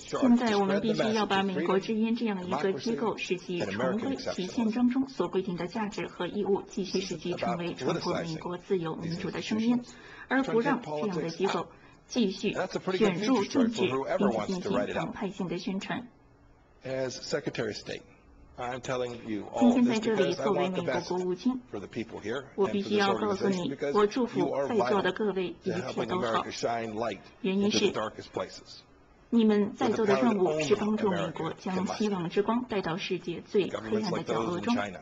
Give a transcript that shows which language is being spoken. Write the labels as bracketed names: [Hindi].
[Chinese] 现在我们必须要把美国之音这样一个机构使其重归其宪章中所规定的价值和义务，继续使其成为传播美国自由民主的声音，而不让这样的机构继续卷入政治，并且进行党派性的宣传。 [English] As Secretary of State, I'm telling you all [Chinese] 今天在这里作为美国国务卿，我必须要告诉你，我祝福在座的各位一切都好。原因是，你们在座的任务是帮助美国将希望之光带到世界最黑暗的角落中。